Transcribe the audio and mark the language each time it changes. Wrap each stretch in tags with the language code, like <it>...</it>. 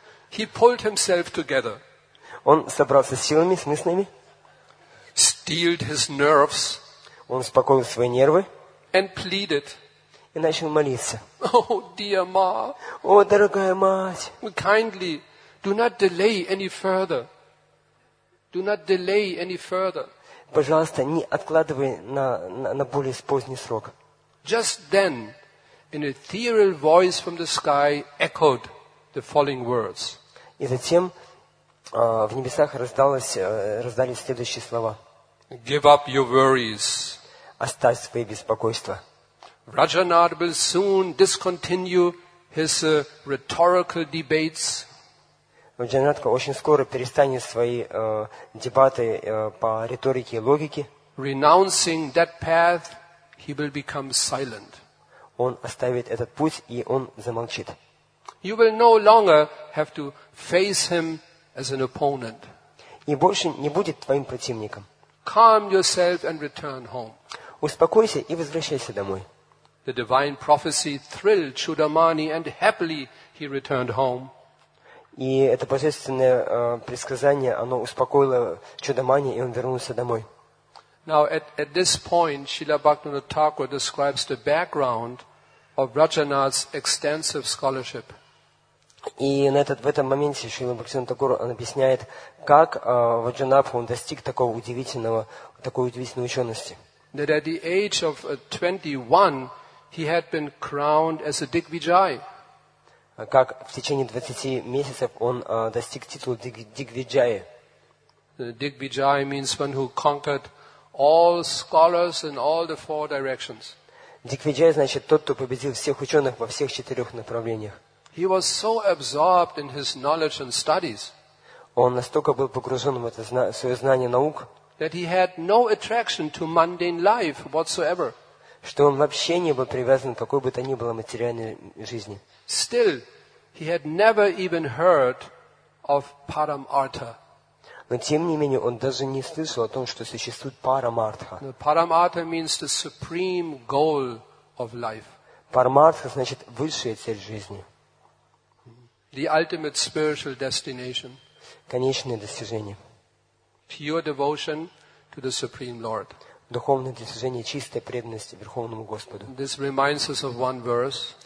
<en>he pulled himself together.</en> <ru>Он собрался с силами, с мыслями.</ru> <en>Steeled his nerves.</en> <ru>Он успокоил свои нервы.</ru> <en>And pleaded.</en> <ru>И начал молиться.</ru> <en>Oh, dear ma.</en> <ru>О, дорогая мать.</ru> <en>Kindly, do not delay any further. Do not delay any further.</en> <ru>Пожалуйста, не откладывай на более поздний срок.</ru> <en>Just then, an ethereal voice from the sky echoed the following words.</en> <ru>И затем в небесах раздались следующие слова.</ru> <en>Give up your worries.</en> <ru>Оставь свои беспокойства.</ru> <en>Rajanath will soon discontinue his rhetorical debates.</en> <ru>Джанатка очень скоро перестанет свои дебаты по риторике и логике.</ru> <en>Renouncing that path, he will become silent.</en> <ru>Он оставит этот путь, и он замолчит.</ru> <en>You will no longer have to face him as an opponent.</en> <ru>И больше не будет твоим противником.</ru> <en>Calm yourself and return home.</en> <ru>Успокойся и возвращайся домой.</ru> <en>The divine prophecy thrilled Chudamani, and happily he returned home.</en> <ru>И это божественное предсказание, оно успокоило Чудамани, и он вернулся домой.</ru> <en>Now, at this point, Srila Bhaktivinoda Thakur describes the background of Rajanath's extensive scholarship.</en> <ru>И в этом моменте Шрила Бхактивинода Тхакура объясняет, как Раджанатх достиг такой удивительной учености.</ru> <en>That at the age of 21, he had been crowned as a Digvijay.</en> <ru>Как в течение 20 месяцев он достиг титула Дигвиджая.</ru> <en>Дигвиджая means one who conquered all scholars in all the four directions.</en> <ru>Дигвиджая значит тот, кто победил всех ученых во всех четырех направлениях.</ru> <en>He was so absorbed in his knowledge and studies.</en> <ru>Он настолько был погружен в это свое знание наук,</ru> <en>that he had no attraction to mundane life whatsoever.</en> <ru>Что он вообще не был привязан к какой бы то ни было материальной жизни.</ru> <en>Still, he had never even heard of Paramartha.</en> <ru>Но тем не менее, он даже не слышал о том, что существует Парамартха.</ru> <en>Парамартха means the supreme goal of life.</en> <ru>Парамартха значит высшая цель жизни.</ru> <en>The ultimate spiritual destination.</en> <ru>Конечное достижение.</ru> <en>Pure devotion to the Supreme Lord.</en> <ru>Духовное достижение, чистая преданность Верховному Господу.</ru> <en>This reminds us of one verse.</en>